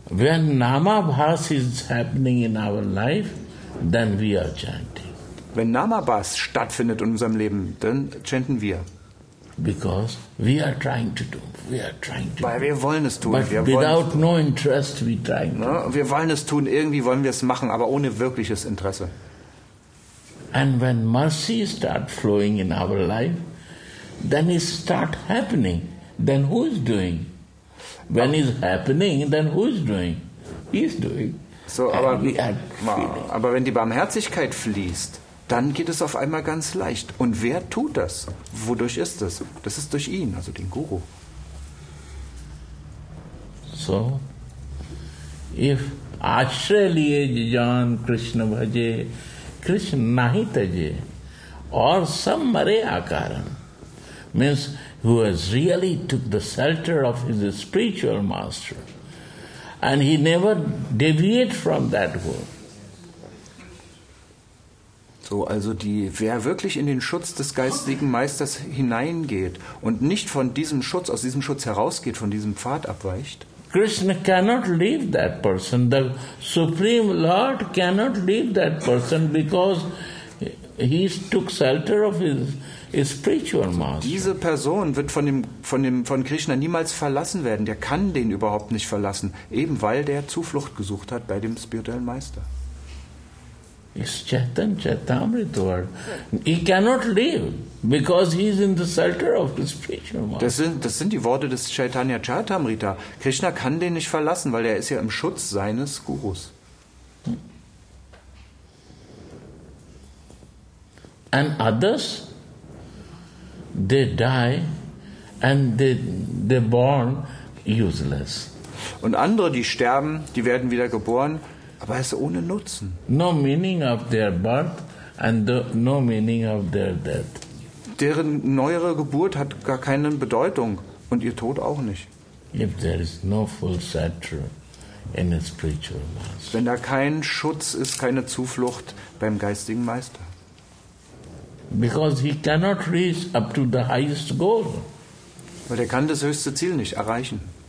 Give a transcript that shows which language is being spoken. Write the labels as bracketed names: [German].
[English] When Namabhas is happening in our life, then we are chanting. [German] Wenn Namabhas stattfindet in unserem Leben, dann chanten wir. [English] Because we are trying to do. We are trying to. [German] Weil wir wollen es tun. [English] But [German] wir [English] without no interest, we try. [German] Ja, wir wollen es tun. Irgendwie wollen wir es machen, aber ohne wirkliches Interesse. [English] And when mercy start flowing in our life, then it start happening. Then who is doing? When it's happening, then who is doing? He is doing. [German] So, aber, aber wenn die Barmherzigkeit fließt, dann geht es auf einmal ganz leicht. Und wer tut das? Wodurch ist das? Das ist durch ihn, also den Guru. [English] So, if [Bangla] Ashray liye jaan Krishna bhaje, Krishna nahi taje, [English] or [Bangla] some mare akaran, [English] means who has really took the shelter of his spiritual master, and he never deviate from that world. [German] So, also die, wer wirklich in den Schutz des geistigen Meisters hineingeht und nicht von diesem Schutz, aus diesem Schutz herausgeht, von diesem Pfad abweicht. [English] Krishna cannot leave that person. The Supreme Lord cannot leave that person because he took shelter of his spiritual master. [German] Diese Person wird von Krishna niemals verlassen werden. Der kann den überhaupt nicht verlassen, eben weil der Zuflucht gesucht hat bei dem spirituellen Meister. [English] Is Chaitan Chaitamrita. He cannot leave because he is in the shelter of the spiritual master. [German] Das sind die Worte des Chaitanya Chaitamrita. Krishna kann den nicht verlassen, weil er ist ja im Schutz seines Gurus. [English] And others, they die and they born useless. [German] Und andere, die sterben, die werden wieder geboren. Aber es ohne Nutzen. [English] No meaning of their birth and no meaning of their death. [German] Deren neuere Geburt hat gar keine Bedeutung und ihr Tod auch nicht. [English] If there is no full shelter in a spiritual master. [German] Wenn da kein Schutz ist, keine Zuflucht beim geistigen Meister. [English] Because he cannot reach up to the highest goal. [German] Weil er kann das höchste Ziel nicht erreichen.